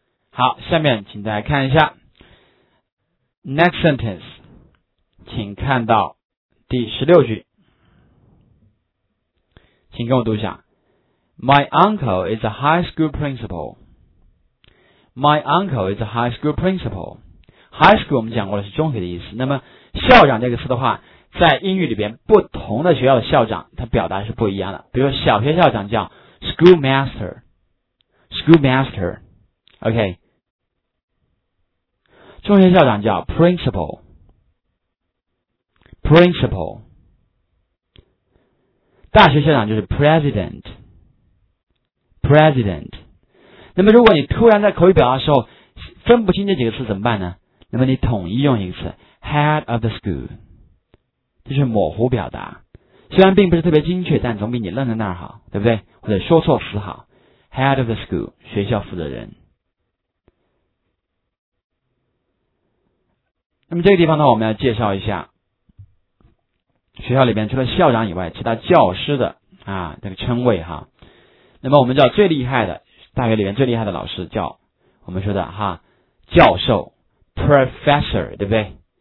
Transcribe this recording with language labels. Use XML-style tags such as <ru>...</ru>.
<zh>好，下面请大家看一下</zh> <en>next sentence，</en> <zh>请看到第16句，请跟我读一下</zh> <en>My uncle is a high school principal. My uncle is a high school principal.</en> <zh>High school 我们讲过的是中学的意思。那么校长这个词的话，在英语里边不同的学校的校长他表达是不一样的。比如说小学校长叫 schoolmaster， schoolmaster， OK，中学校长叫 principal， principal， 大学校长就是 president， president。那么如果你突然在口语表达的时候分不清这几个词怎么办呢？那么你统一用一个词</zh> <en>head of the school，</en> <zh>就是模糊表达，虽然并不是特别精确，但总比你愣在那儿好，对不对？或者说错词好。</zh> <en>head of the school，</en> <zh>学校负责人。那么这个地方呢，我们要介绍一下学校里面除了校长以外其他教师的啊这个称谓哈。那么我们知道最厉害的大学里面最厉害的老师叫我们说的哈教授 professor， 对不对？</zh>